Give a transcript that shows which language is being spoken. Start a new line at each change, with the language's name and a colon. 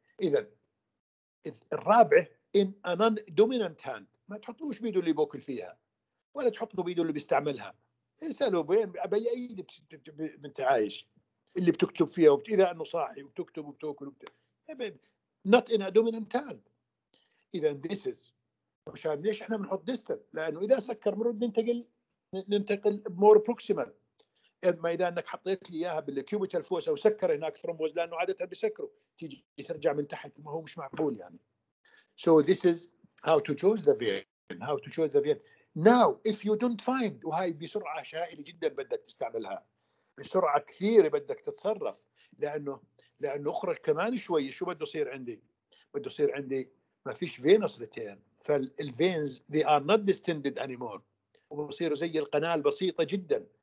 Arabic: إذا الرابع
English: in a non dominant hand،
Arabic: ما تحط له بيده اللي بوكل فيها ولا تحط له بيده اللي بيستعملها، اسألوا بين أي أيدي بتعايش اللي بتكتب فيها إذا أنه صاحي وبتكتب وبتوكل
English: not in a dominant hand.
Arabic: إذا
English: this is
Arabic: مشان ليش إحنا بنحط distal؟ لأنه إذا سكر مرود ننتقل
English: more proximal.
Arabic: ما إذا أنك حطيت لي إياها بالcubital fossa وسكر هناك ثرومبوز لأنه عادة بيسكروا تيجي ترجع من تحت، ما هو مش معقول يعني.
English: So this is how to choose the vein. Now, if you don't find,
Arabic: وهاي بسرعة شائلة جدا بدك تستعملها، بسرعة كثيرة بدك تتصرف، لأنه أخرج كمان شوي شو بده يصير عندي؟ بده يصير عندي ما فيش venous return، فالveins
English: they are not distended anymore،
Arabic: وبصير زي القناة البسيطة جدا.